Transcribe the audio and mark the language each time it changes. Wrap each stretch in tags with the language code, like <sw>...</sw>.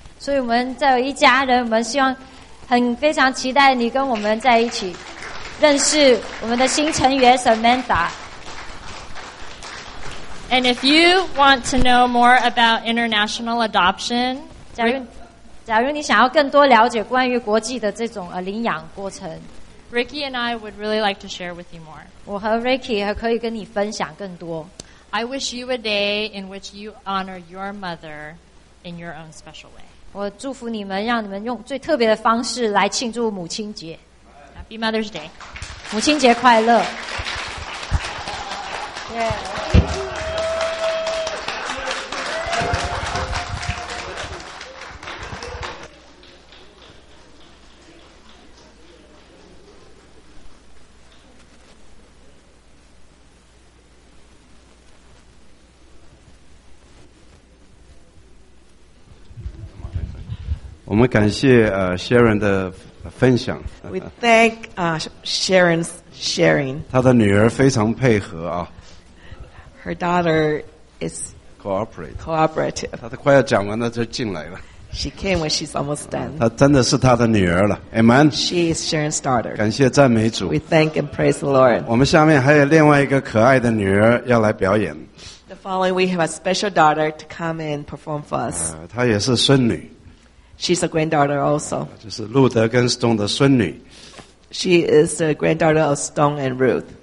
<zh>所以我们在一家人，我们希望很非常期待你跟我们在一起，认识我们的新成员 Samantha。</zh> <en>And if you want to know more about international adoption,</en> <zh>假如你想要更多了解关于国际的这种领养过程</zh> <en>Ricky and I would really like to share with you more.</en> <zh>我和 Ricky 还可以跟你分享更多。</zh> <en>I wish you a day in which you honor your mother in your own special way.</en> <zh>我祝福你们，让你们用最特别的方式来庆祝母亲节。</zh> <en>Happy Mother's Day.</en> <zh>母亲节快乐。</zh> <en>Yeah.</en> <zh>我们感谢Sharon 的分享。</zh> <en>We thank Sharon's sharing.</en> <zh>她的女儿非常配合啊。</zh> <en>Her daughter is cooperative.</en> <zh>她快要讲完了就进来了。</zh> <en>She came when she's almost done.</en> <zh>她真的是她的女儿了。Amen.</zh> <en>She is Sharon's daughter.</en> <zh>感谢赞美主。</zh> <en>We thank and praise the Lord.</en> <zh>我们下面还有另外一个可爱的女儿要来表演。</zh> <en>The following, we have a special daughter to come and perform for us.</en> <zh>她也是孙女。</zh> <en>She's a granddaughter also.</en> <zh>就是路德跟 Stone 的孙女。</zh> <en>She is the granddaughter of Stone and Ruth.</en>